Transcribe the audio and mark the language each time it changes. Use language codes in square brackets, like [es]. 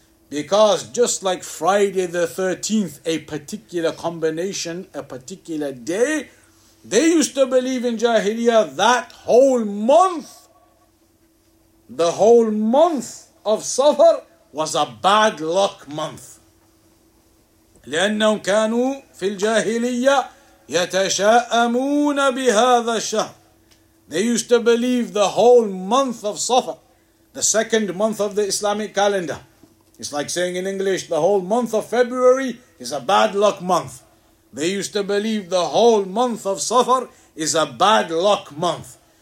[en] Because just like Friday the 13th, a particular combination, a particular day, they used to believe in Jahiliya that whole month, the whole month of safar was a bad luck month. [ar] لأنهم كانوا في الجاهلية يتشاءمون بهذا الشهر. [en] They used to believe the whole month of Safar, the second month of the Islamic calendar. It's like saying in English, the whole month of February is a bad luck month. They used to believe the whole month of Safar is a bad luck month.